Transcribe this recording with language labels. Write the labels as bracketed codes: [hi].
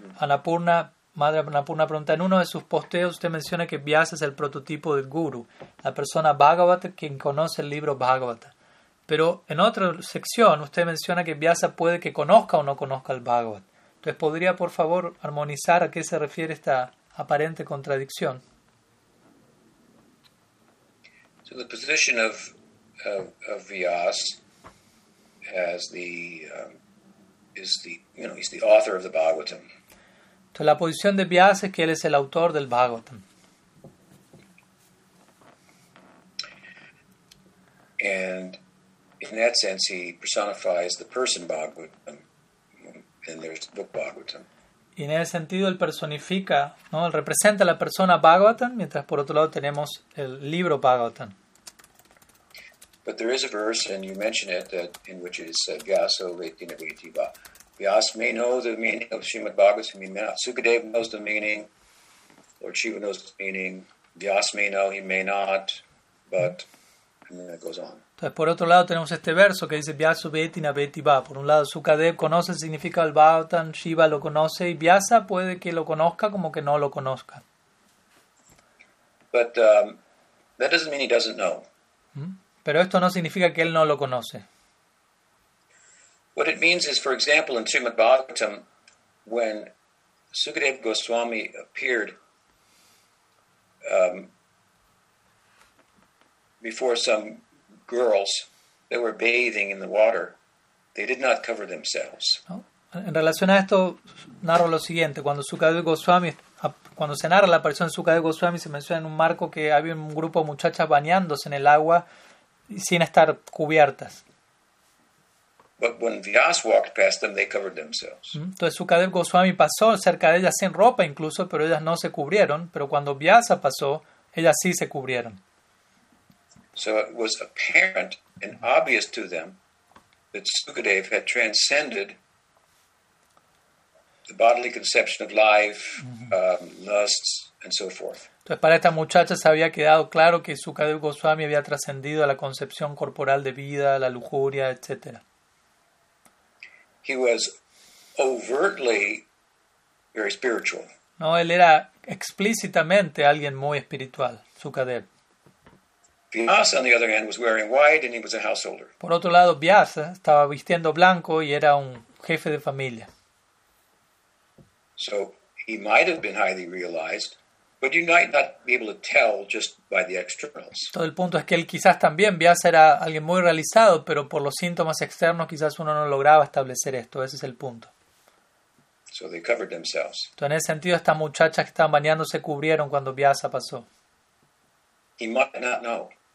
[es] Annapurna, Madre Annapurna pregunta, en uno de sus posteos usted menciona que Vyasa es el prototipo del guru, la persona Bhagavat quien conoce el libro Bhagavat. Pero en otra sección usted menciona que Vyasa puede que conozca o no conozca el Bhagavad. Entonces, ¿podría por favor armonizar a qué se refiere esta aparente contradicción? [en] So the position of Vyas as the is the, you know, he's the author of the Bhagavatam. [es] Entonces, la posición de Vyas es que él es el autor del Bhagavatam. [en] And in that sense, he personifies the person Bhagavatam, and there's the book Bhagavatam. [es] Y en ese sentido, él personifica, ¿no? Él representa la persona Bhagavatam, mientras por otro lado tenemos el libro Bhagavatam. [en] But there is a verse, and you mention it, that in which it is said, Vyasa Vaitinavati Bha. Vyas may know the meaning of Srimad Bhagavatam, he may not. Sukadeva knows the meaning, Lord Shiva knows the meaning, Vyas may know, he may not, but, and then it goes on. [es] Entonces, por otro lado, tenemos este verso que dice Vyasa Veti na Veti Va. Por un lado, Sukadev conoce el significado del Bhagavatam, Shiva lo conoce, y Vyasa puede que lo conozca como que no lo conozca. [en] But, that doesn't mean he doesn't know. [es] Pero esto no significa que él no lo conoce. [en] What it means is, for example, in Srimad Bhagavatam, when Sukadev Goswami appeared, before some girls that were bathing in the water, they did not cover themselves. [es] ¿No? En relación a esto, narro lo siguiente. Cuando Sukadeva Goswami, cuando se narra la aparición de Sukadeva Goswami, se menciona en un marco que había un grupo de muchachas bañándose en el agua sin estar cubiertas. [en] But when Vyas walked past them, they covered themselves. [es] Entonces Sukadeva Goswami pasó cerca de ellas sin ropa incluso, pero ellas no se cubrieron. Pero cuando Vyasa pasó, ellas sí se cubrieron. [en] So it was apparent and obvious to them that Sukadeva had transcended the bodily conception of life, lusts, and so forth. [es] Entonces para esta muchacha se había quedado claro que Sukadeva Goswami había trascendido la concepción corporal de vida, la lujuria, etc. [en] He was overtly very spiritual. [es] No, él era explícitamente alguien muy espiritual, Sukadeva. [en] Vyasa, on the other hand, was wearing white and he was a householder. [es] Por otro lado, Vyasa estaba vistiendo blanco y era un jefe de familia. [en] So he might have been highly realized, but you might not be able to tell just by the externals. [es] Todo el punto es que él quizás también, Vyasa era alguien muy realizado, pero por los síntomas externos quizás uno no lograba establecer esto. Ese es el punto. [en] So they covered themselves. [es] Entonces, en ese sentido, estas muchachas que estaban bañando se cubrieron cuando Vyasa pasó. [en] He might not know.